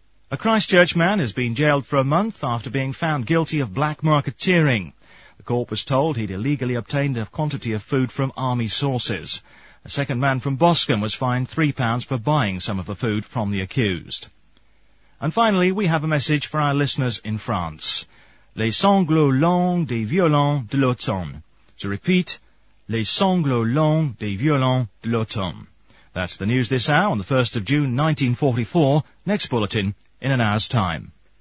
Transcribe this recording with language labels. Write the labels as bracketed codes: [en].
[en] A Christchurch man has been jailed for a month after being found guilty of black marketeering. The court was told he'd illegally obtained a quantity of food from army sources. A second man from Boscombe was fined £3 for buying some of the food from the accused. And finally, we have a message for our listeners in France. [fr] Les sanglots longs des violons de l'automne. [en] To repeat, [fr] les sanglots longs des violons de l'automne. [en] That's the news this hour on the 1st of June 1944. Next bulletin in an hour's time.